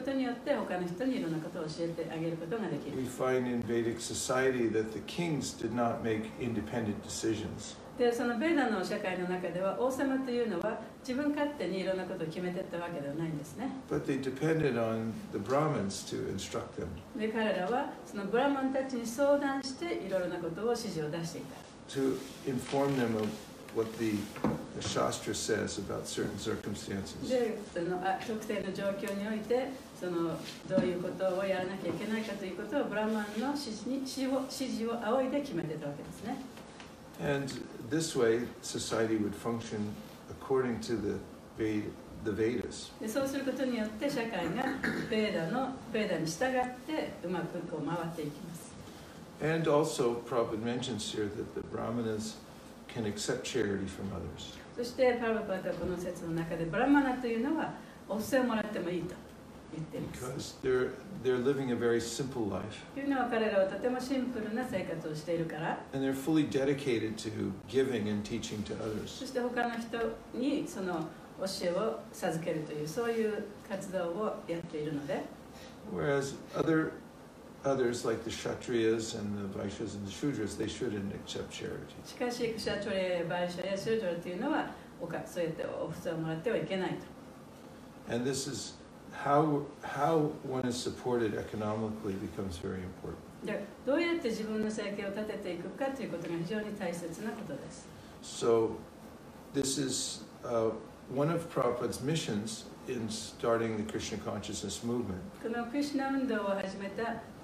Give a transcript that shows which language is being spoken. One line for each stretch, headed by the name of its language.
English: We find in Vedic society that the kings did not make independent decisions.
Japanese: でそのベーダの社会の中では王様というのは自分勝手にいろんなことを決めていったわけではないんですね。
English: But they depended on the Brahmins to instruct them.
Japanese: で彼らはそのブラマンたちに相談していろいろなことを指示を出していた。
English: To inform them of what the Shastra says about certain circumstances.
Japanese: で、その、あ、特定の状況において、その、どういうことをやらなきゃいけないかということをブラマンの指示に、指示を仰いで決めてたわけですね。
English: And this way, society would function according to the Vedas.
Japanese: で、そうすることによって社会がベーダに従ってうまくこう回っていきます。
English: And also, Prabhupada mentions here that the Brahmanas can accept charity from others.
Japanese: そしてパラパラとこの説の中でブラマナというのはお布施をもらってもいいと言っています。
English: Because they're living a very simple life.
Japanese: というのは彼らはとてもシンプルな生活をしているから。
English: And they're fully dedicated to giving and teaching to others.
Japanese: そして他の人にその教えを授けるというそういう活動をやっているので。
English: Whereas others like the Kshatriyas and the Vaishyas and the Shudras, they shouldn't accept charity.
Japanese: しかし、クシャトリア、バイシャや、シュドラというのは、そうやってお布施をもらってはいけないと。
English: And this is how one is supported economically becomes very important.
Japanese: で、どうやって自分の生計を立てていくかということが非常に大切なことです。
English: So, this is one of Prabhupada's missions in starting the Krishna consciousness movement.
Japanese: このクリシュナ運動を始めた